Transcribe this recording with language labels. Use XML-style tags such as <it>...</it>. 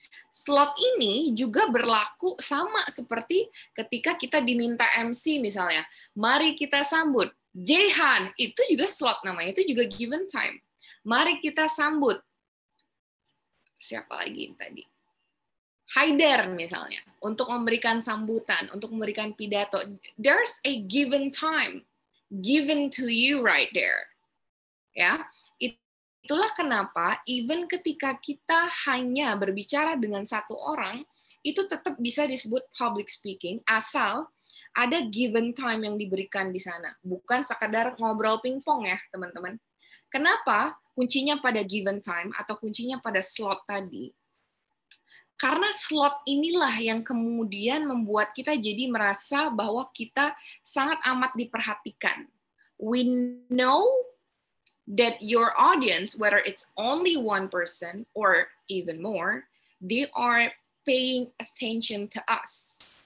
<id>Slot ini juga berlaku sama seperti ketika kita diminta MC misalnya. Mari kita sambut Jehan, itu juga slot namanya, itu juga given time. Mari kita sambut siapa lagi tadi? Haider misalnya, untuk memberikan sambutan, untuk memberikan pidato.</id> <en>There's a given time given to you right there.</en> <id>Ya, itulah kenapa even ketika kita hanya berbicara dengan satu orang, itu tetap bisa disebut public speaking asal ada given time yang diberikan di sana. Bukan sekadar ngobrol pingpong ya, teman-teman. Kenapa kuncinya pada given time atau kuncinya pada slot tadi? Karena slot inilah yang kemudian membuat kita jadi merasa bahwa kita sangat amat diperhatikan.</id> <en>We know that your audience, whether it's only one person or even more, they are paying attention to us.</en>